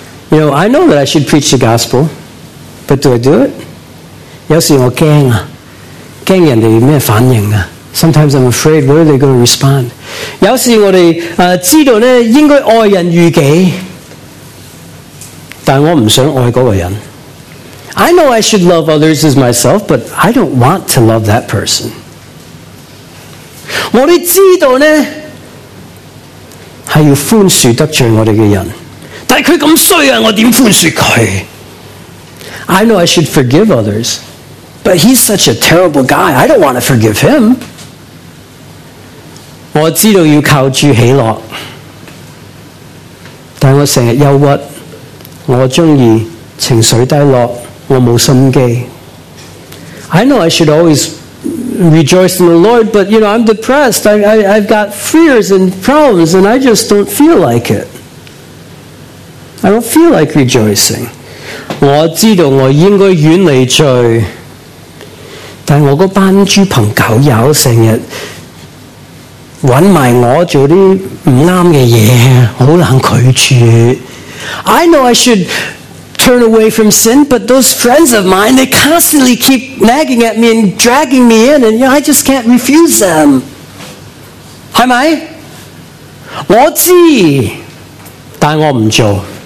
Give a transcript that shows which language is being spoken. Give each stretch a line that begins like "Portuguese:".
English: You know, I know that I should preach the gospel, but do I do it?
Cantonese: 有時我驚啊，驚人哋咩反應啊。
English: Sometimes I'm afraid, what are they going to respond?
Cantonese: 有時我哋知道咧應該愛人如己，但我唔想愛嗰個人。
English: I know I should love others as myself, but I don't want to love that person.
Cantonese: 我哋知道咧係要寬恕得罪我哋嘅人，但係佢咁衰啊，我點寬恕佢？
English: I know I should forgive others, but he's such a terrible guy. I don't want to forgive him.
Cantonese: 我知道要靠住喜樂，但我成日憂鬱，我鍾意情緒低落，我冇心機。
English: I know I should always rejoice in the Lord, but you know, I'm depressed. I've got fears and problems, and I just don't feel like it. I don't feel like rejoicing.
Cantonese: 我知道我应该远离罪，但我嗰班猪朋狗友成日揾埋我做啲唔啱嘅嘢，好难拒绝。
English: I know I should turn away from sin, but those friends of mine, they constantly keep nagging at me and dragging me in, and you know, I just can't refuse them.
Cantonese: 系咪？我知，但我唔做。